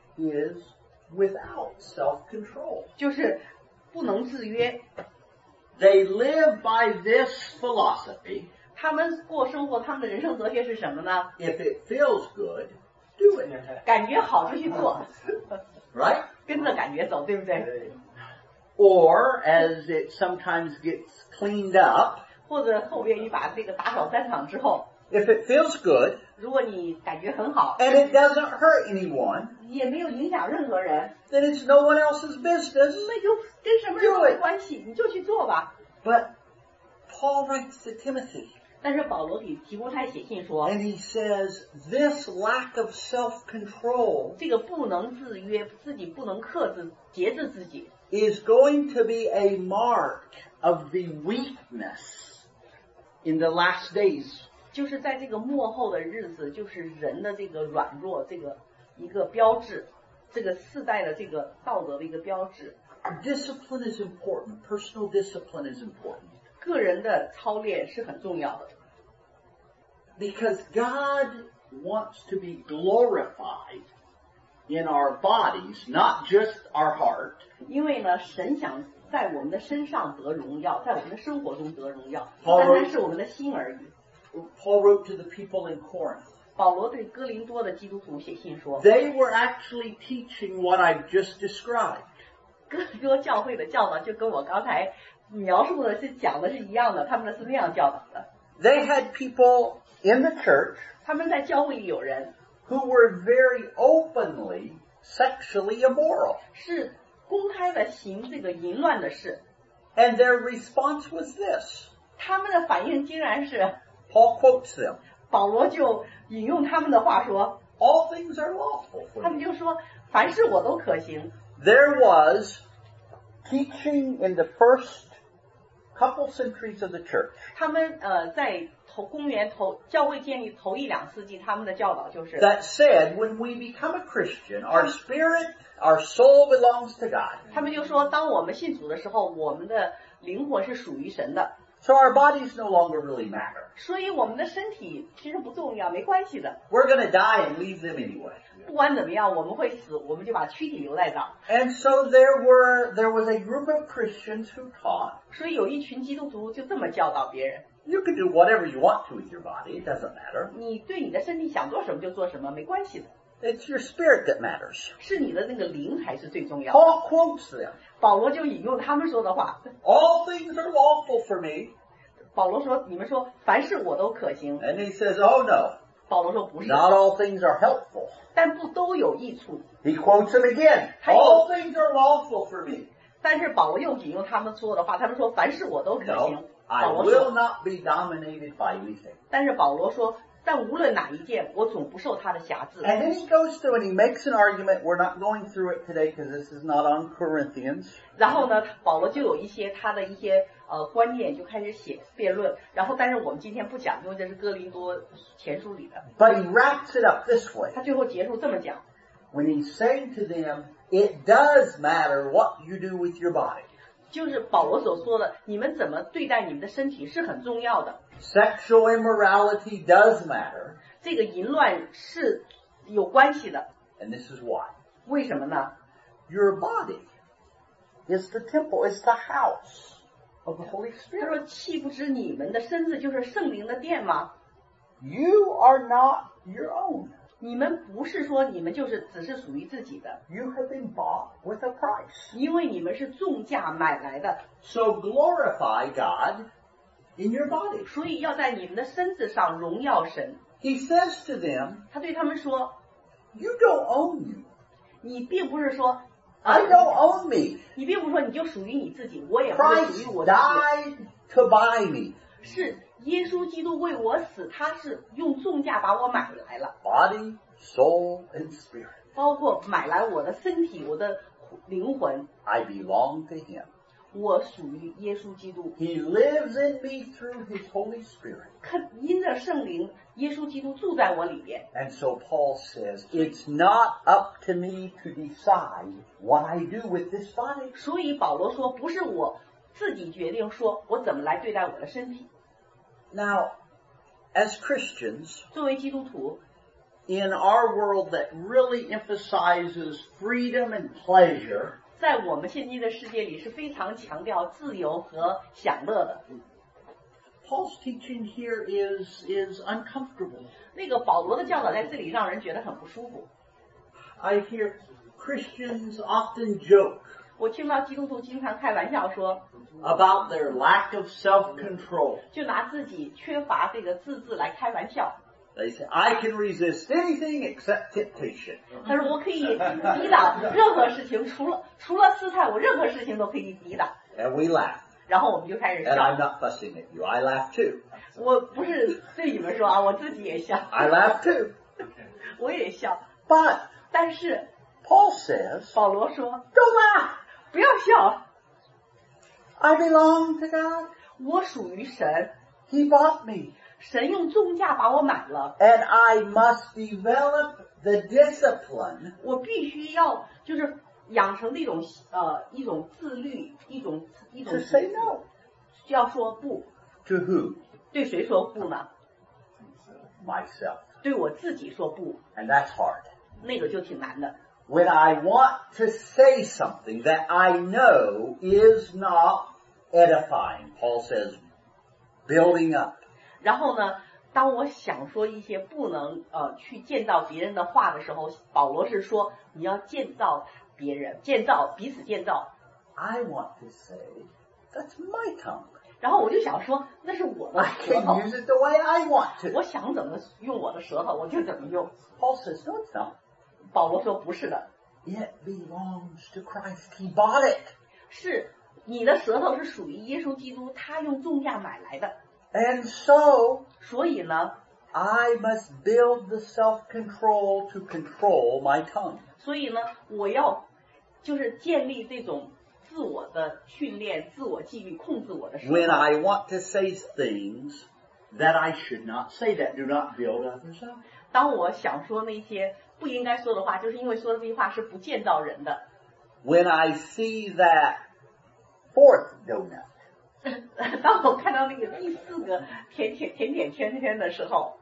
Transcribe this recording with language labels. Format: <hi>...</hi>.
<en>Is without self-control.</en> <zh>就是不能自约。</zh> <en>They live by this philosophy.</en> <zh>他们过生活，他们的人生哲学是什么呢？</zh> <en>If it feels good. Do it.</en> <zh>感觉好就去做</zh> <en>right?</en> <zh>跟着感觉走对不对</zh> <en>or as it sometimes gets cleaned up</en> <zh>或者后边你把这个打扫三场之后</zh> <en>if it feels good</en> <zh>如果你感觉很好</zh> <en>and it doesn't hurt anyone</en> <zh>也没有影响任何人</zh> <en>then it's no one else's business</en> <zh>那就跟什么人没关系你就去做吧</zh> <en>but Paul writes to Timothy</en> <zh>但是保罗给提摩太写信说</zh> <en>And he says, this lack of self-control</en> <zh>这个不能自约自己不能克制节制自己</zh> <en>is going to be a mark of the weakness in the last days</en> <zh>就是在这个末后的日子就是人的这个软弱这个一个标志这个世代的这个道德的一个标志</zh> <en>Discipline is important, personal discipline is important</en> <zh>个人的操练是很重要的。</zh> <en>Because God wants to be glorified in our bodies, not just our heart.</en> <zh>因为呢，神想在我们的身上得荣耀，在我们的生活中得荣耀，单单是我们的心而已。</zh> <en>Paul wrote to the people in Corinth.</en> <zh>保罗对哥林多的基督徒写信说</zh> <en>，They were actually teaching what I've just described.</en> <zh>哥林多教会的教导就跟我刚才。描述的是讲的是一样的他们是那样教导的</zh> <en>They had people in the church</en> <zh>他们在教会里有人</zh> <en>who were very openly sexually immoral</en> <zh>是公开的行这个淫乱的事</zh> <en>and their response was this</en> <zh>他们的反应竟然是</zh> <en>Paul quotes them</en> <zh>保罗就引用他们的话说</zh> <en>All things are lawful</en> <zh>他们就说凡事我都可行</zh> <en>There wasTeaching in the first couple centuries of the church.</en> <zh>他们在头公元头教会建立头一两世纪，他们的教导就是</zh> <en>that said when we become a Christian, our spirit, our soul belongs to God.</en> <zh>他们就说，当我们信主的时候，我们的灵魂是属于神的。</zh> <en>So our bodies no longer really matter.</en> <zh>所以我们的身体其实不重要，没关系的。</zh> <en>We're going to die and leave them anyway.</en> <zh>不管怎么样，我们会死，我们就把躯体留在这儿。</zh> <en>And so there was a group of Christians who taught.</en> <zh>所以有一群基督徒就这么教导别人。</zh> <en>You can do whatever you want to with your body. It doesn't matter.</en> <zh>你对你的身体想做什么就做什么，没关系的。</zh> <en>It's your spirit that matters.</en> <zh>是你的那个灵才是最重要的。</zh> <en>Paul quotes them.</en> <zh>保罗就引用他们说的话。</zh> <en>All things are lawful for me.</en> <zh>保罗说，你们说凡事我都可行。</zh> <en>And he says, oh no.</en> <zh>保罗说不是。</zh> <en>Not all things are helpful.</en> <zh>但不都有益处。</zh> <en>He quotes him again. All things are lawful for me.</en> <zh>但是保罗又引用他们说的话，他们说凡事我都可行。</zh> <en>I will not be dominated by anything.</en> <zh>但是保罗说，但无论哪一件，我总不受他的辖制。</zh> <en>And then he goes through and he makes an argument. We're not going through it today because this is not on Corinthians.</en> <zh>然后呢，保罗就有一些他的一些观念就开始写辩论。然后，但是我们今天不讲，因为这是哥林多前书里的。</zh> <en>But he wraps it up this way.</en> <zh>他最后结束这么讲。</zh> <en>When he's saying to them, it does matter what you do with your body.</en> <zh>就是保罗所说的，你们怎么对待你们的身体是很重要的。</zh> <en>Sexual immorality does matter.</en> <zh>这个淫乱是有关系的。</zh> <en>And this is why.</en> <zh>为什么呢？</zh> <en>Your body is the temple, it's the house of the Holy Spirit.</en> <zh>他说，岂不知你们的身子就是圣灵的殿吗？</zh> <en>You are not your own.</en> <zh>你们不是说你们就是只是属于自己的。</zh> <en>You have been bought with a price.</en> <zh>因为你们是重价买来的。</zh> <en>So glorify God. In your body.</en> <zh>所以要在你们的身子上荣耀神。</zh> <en>He says to them,</en> <zh>他对他们说，</zh> <en>You don't own you.</en> <zh>你并不是说，</zh> <en>I don't own me.</en> <zh>你并不是说你就属于你自己，我也不属于我自己。</zh> <en>Christ died to buy me.</en> <zh>是耶稣基督为我死，他是用重价把我买来了。</zh> <en>Body, soul, and spirit.</en> <zh>包括买来我的身体，我的灵魂。</zh> <en>I belong to him.</en> <zh>我属于耶稣基督。</zh> <en>He lives in me through His Holy Spirit.</en> <zh>因着圣灵，耶稣基督住在我里面。</zh> <en>And so Paul says, it's not up to me to decide what I do with this body.</en> <zh>所以保罗说，不是我自己决定说我怎么来对待我的身体。</zh> <en>Now, as Christians,</en> <zh>作为基督徒</zh> <en>，in our world that really emphasizes freedom and pleasure.</en> <zh>在我们现今的世界里是非常强调自由和享乐的。</zh> <en>Paul's teaching here is uncomfortable.</en> <zh>那个保罗的教导在这里让人觉得很不舒服。</zh> <en>I hear Christians often joke.</en> <zh>我听到基督徒经常开玩笑说。</zh> <en>About their lack of self-control.</en> <zh>就拿自己缺乏这个自制来开玩笑。</zh> <en>They say, I can resist anything except temptation.</en> <zh>他说我可以抵挡任何事情，除了试探，我任何事情都可以抵挡。</zh> <en>And we laugh.</en> <zh>然后我们就开始笑。</zh> <en>And I'm not fussing at you. I laugh too.</en> <zh>我不是对你们说啊，我自己也笑。</zh> <en>I laugh too.</en> <zh>我也笑。</zh> <en>But,</en> <zh>但是</zh> <en>Paul says,</en> <zh>保罗说</zh> <en>Don't laugh.</en> <zh>不要笑。</zh> <en>I belong to God.</en> <zh>我属于神。</zh> <en>He bought me.</en> <zh>神用重价把我买了。</zh> <en>And I must develop the discipline.</en> <zh>我必须要就是养成那种一种自律，一种。</zh> <en>To say no.</en> <zh>要说不。</zh> <en>To who?</en> <zh>对谁说不呢？</zh> <en>Myself.</en> <zh>对我自己说不。</zh> <en>And that's hard.</en> <zh>那个就挺难的。</zh> <en>When I want to say something that I know is not edifying, Paul says, building up.</en> <zh>然后呢，当我想说一些不能去建造别人的话的时候，保罗是说你要建造别人，建造彼此建造。</zh> <en>I want to say that's my tongue.</en> <zh>然后我就想说那是我的舌头。</zh> <en>I can use it the way I want to.</en> <zh>我想怎么用我的舌头我就怎么用。</zh> <en>Paul says no, it's not.</en> <zh>保罗说不是的。</zh> <en>It belongs to Christ. He bought it.</en> <zh>是你的舌头是属于耶稣基督，他用重价买来的。</zh> <en>And so,</en> <zh>所以呢</zh> <en>I must build the self-control to control my tongue.</en> <zh>所以呢，我要就是建立这种自我的训练，自我纪律，控制我的舌头。</zh> <en>When I want to say things that I should not say that do not build others up.</en> <zh>当我想说那些不应该说的话，就是因为说的这些话是不建造人的。</zh> <en>When I see that fourth donut.</en> <zh>当我看到那个第四个甜点圈圈的时候</zh>